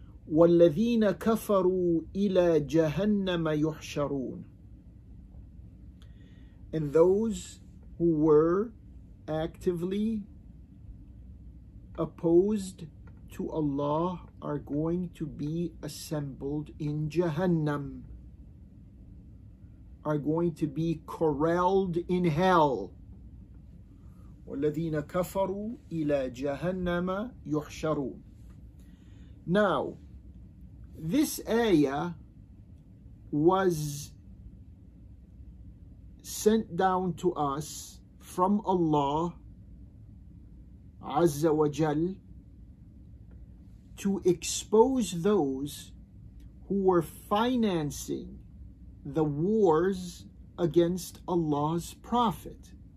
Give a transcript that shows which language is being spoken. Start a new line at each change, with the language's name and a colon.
Arabic: وَالَّذِينَ كَفَرُوا إِلَى جَهَنَّمَ يُحْشَرُونَ,
English: and those who were actively opposed to Allah are going to be assembled in Jahannam, are going to be corralled in hell.
Arabic: وَالَّذِينَ كَفَرُوا إِلَى جَهَنَّمَ يُحْشَرُونَ.
English: Now, this ayah was sent down to us from Allah Azza wa Jal to expose those who were financing the wars against Allah's Prophet.